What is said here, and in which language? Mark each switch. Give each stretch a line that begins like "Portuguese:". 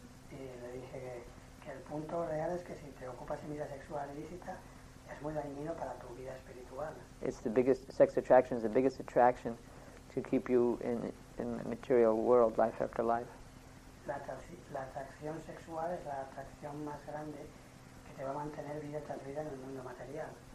Spanish: Y le dije que el punto real es que si te ocupas en vida sexual ilícita es muy dañino para tu vida espiritual.
English: It's the biggest sex attraction is the biggest attraction to keep you in the material world life after life.
Spanish: La atracción sexual es la atracción más grande que te va a mantener vida tras vida en el mundo material.